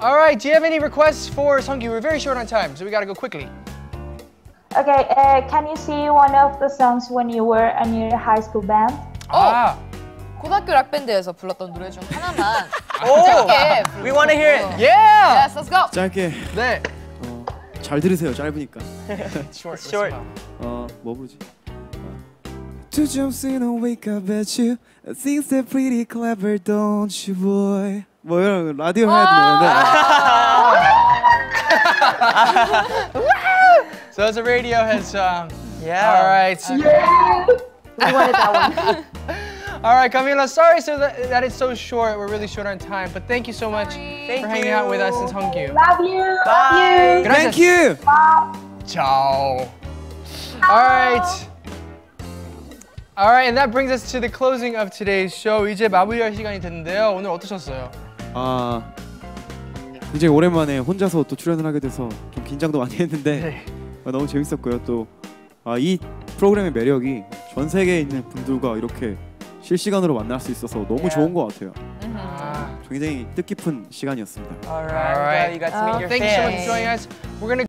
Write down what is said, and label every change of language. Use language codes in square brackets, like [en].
[en] All right, do you have any requests for Sung Kyu? We're very short on time, so we gotta go quickly. Okay, can you see one of the songs when you were in your high school band? Oh! [ko] 고등학교 락 밴드에서 불렀던 노래 중 하나만 oh, 짧게 [en] We want to hear it! Yeah! Yes, let's go! [ko] 짧게 네 잘 들으세요, 짧으니까 [en] Short, short [ko] 뭐 부르지? [en] Two jumps in a week, I bet you I think they're pretty clever, don't you, boy? [ko] 뭐 이런 거, 라디오 해야 되는데 [en] So it's a Radiohead song Yeah All right okay. Yeah! We wanted that one All right, Camila, sorry so that it's so short. We're really short on time. But thank you so much thank for you. Hanging out with us in Sung Kyu. Love you. Bye. Love you. Thank you. Bye. Ciao. All right. All right, and that brings us to the closing of today's show. [ko] 이제 마무리할 시간이 됐는데요. 오늘 어떠셨어요? 이제 오랜만에 혼자서 또 출연을 하게 돼서 좀 긴장도 많이 했는데 네. 너무 재밌었고요. 또 이 프로그램의 매력이 전 세계에 있는 분들과 이렇게 실시간으로 만날 수 있어서 너무 yeah. 좋은 것 같아요. Mm-hmm. 굉장히 뜻깊은 시간이었습니다. [en] All right, glad you got to meet your fans. Thank you so much for joining us. We're gonna